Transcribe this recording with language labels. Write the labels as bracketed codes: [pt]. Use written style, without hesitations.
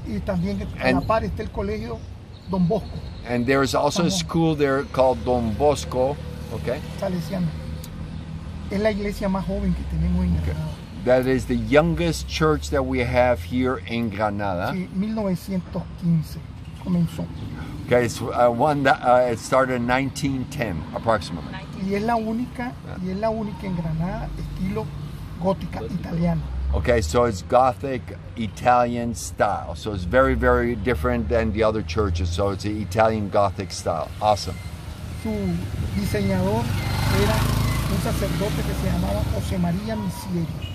[es] Y también en la par está el colegio Don Bosco. [en] And there is also a school there called Don Bosco, okay? [es] Salesiana. Es la iglesia más joven que tenemos en Granada. [en] That is the youngest church that we have here in Granada. [es] Sí, 1915 comenzó. [en] Okay, it's one that it started in 1910 approximately. [es] Y es la única en Granada estilo gótica italiana. [en] Okay, so it's Gothic Italian style. So it's very, very different than the other churches. So it's an Italian Gothic style. Awesome. [es] Su diseñador era un sacerdote que se llamaba José María Misieri.